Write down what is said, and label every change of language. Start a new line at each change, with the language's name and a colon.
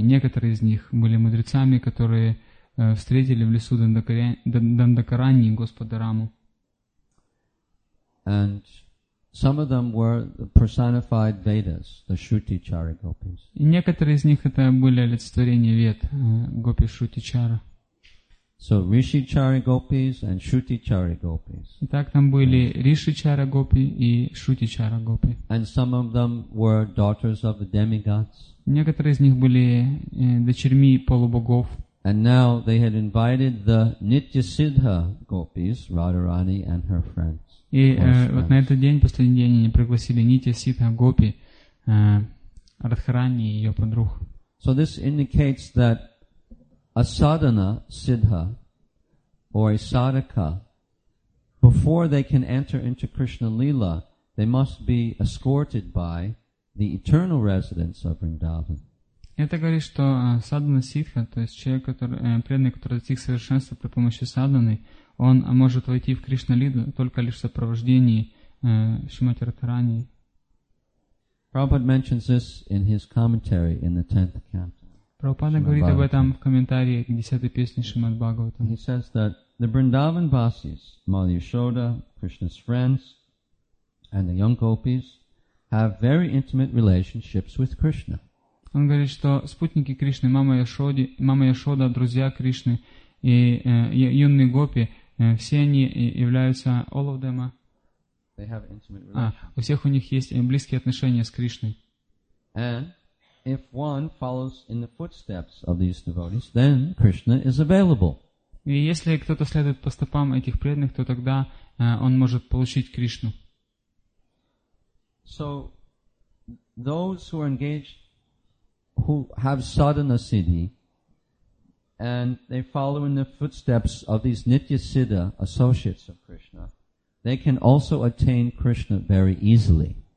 Russian: Некоторые из них были мудрецами, которые встретили в лесу Дандакарани Господа Раму.
English: And some of them were the personified Vedas, the Shrutichara gopis.
Russian: И некоторые из них это были олицетворения Вед, гопи Шрутичара.
English: So Ришичара гопис and Шрутичара гопис.
Russian: Итак, там были Ришичара гопи и Шрутичара гопи.
English: And some of them were daughters of the demigods.
Russian: Некоторые из них были дочерьми полубогов.
English: And now they had invited the Нитьясиддха gopis, Радхарани and her friends.
Russian: И вот на этот день, последний день, они пригласили Нитьясиддха гопи, Радхарани и ее подруг.
English: So this indicates that a sadhana siddha or a sadhaka, before they can enter into Krishna Lila, they must be escorted by the eternal residents of Vrindavan.
Russian: Это говорит, что садхана сиддха, то есть человек, который преданный, который достиг совершенства при помощи садханы, он может войти в Кришна Лилу только лишь в сопровождении Шримати Радхарани.
English: Prabhupada mentions this in his commentary in the 10th canto.
Russian: Прабхупада говорит об этом в комментарии к 10-й песне Шримад Бхагаватам.
English: He says that the Vrindavan Vasis, Mother Yashoda, Krishna's friends, and the young gopis have very intimate relationships with Krishna.
Russian: Он говорит, что спутники Кришны, мама Яшода, друзья Кришны и юные гопи, все они являются
English: all of them. They have intimate relationships.
Russian: У всех у них есть близкие отношения с Кришной.
English: And if one follows in the footsteps of these devotees, then Krishna is available.
Russian: И если кто-то следует по стопам этих преданных, то тогда он может получить Кришну.
English: So those who are engaged, who have sadhana siddhi, and they follow in the footsteps of these nitya siddha associates of Krishna, they can also attain Krishna very easily.